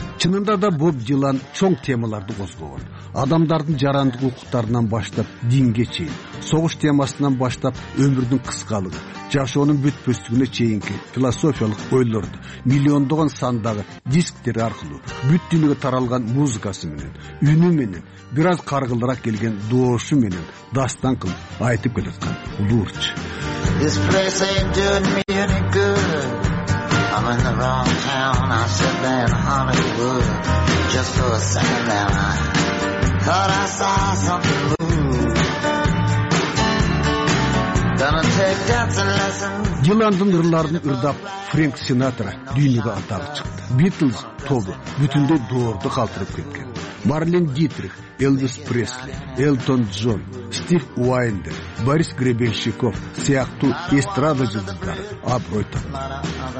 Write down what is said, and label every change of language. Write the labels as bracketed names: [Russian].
[Kyrgyz] Чынында да Боб Дилан чоң темаларды козгогон. Адамдардын жарандык укуктарынан баштап динге чейин, согуш темасынан баштап өмүрдүн кыскалыгы, жашоонун бүтпөстүгүнө чейинки философиялык ойлорду миллиондогон сандагы дисктери аркылуу бүт дүйнөгө таралган музыкасы менен, үнү менен, бир аз каргылдыраак келген доошу менен дастан кылып айтып келаткан улуу ырчы. [English] This place ain't doing me any good. I'm in the wrong town. I should be in Hollywood. Just for a second there, I thought I saw something move. Gonna take dancing lessons. [Kyrgyz] Диландын ырларын ырдап Фрэнк Синатра дүйнөгө атагы чыкты. Битлз тобу бүтүндөй доорду калтырып кеткен. Марлен Дитрих, Элвис Пресли, Элтон Джон, Стив Уайндер, Борис Гребенщиков сыяктуу эстрада жылдыздары аброй тартты.